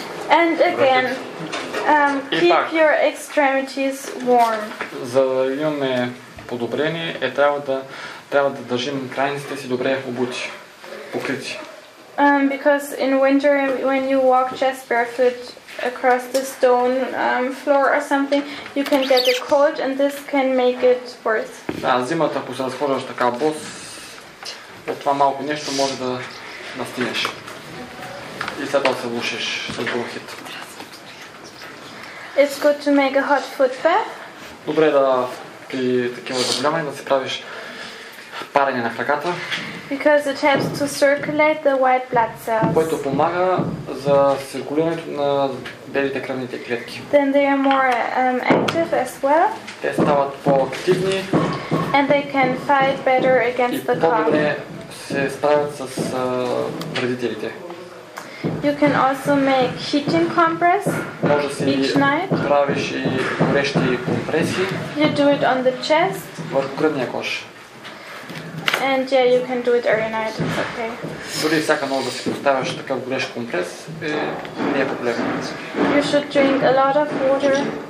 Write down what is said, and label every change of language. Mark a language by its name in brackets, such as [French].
[English] And again, keep your extremities warm. [Bulgarian] За да имаме подобрение, е трябва да държим крайниците си добре обути, покрити. [English] Because in winter, when you walk just barefoot across the stone floor or something, you can get a cold, and this can make it worse. [Bulgarian] Да, зимата, ако се разхождаш така бос, от това малко нещо може да настинеш. И след това се влушиш с бронхит. [English] It's good to make a hot foot bath. [Bulgarian] Добре да при такива заболявания да си правиш парене на краката. [English] Because it helps to circulate the white blood cells. [Bulgarian] Което помага за циркулирането на белите кръвни клетки. [English] Then they are more active as well. [Bulgarian] Те стават по-активни. [English] And they can fight better against the cough. [Bulgarian] Се справят с вредителите. [English] You can also make heating compress. [Bulgarian] Може си [English] each night. [Bulgarian] Правиш и горещи компреси. [English] You do it on the chest. [Bulgarian] Върху гръдния кош. [English] And yeah, you can do it every night. It's okay. [Bulgarian] Дори всяка нощ да си поставяш такъв горещ компрес, не е проблем. [English] You should drink a lot of water.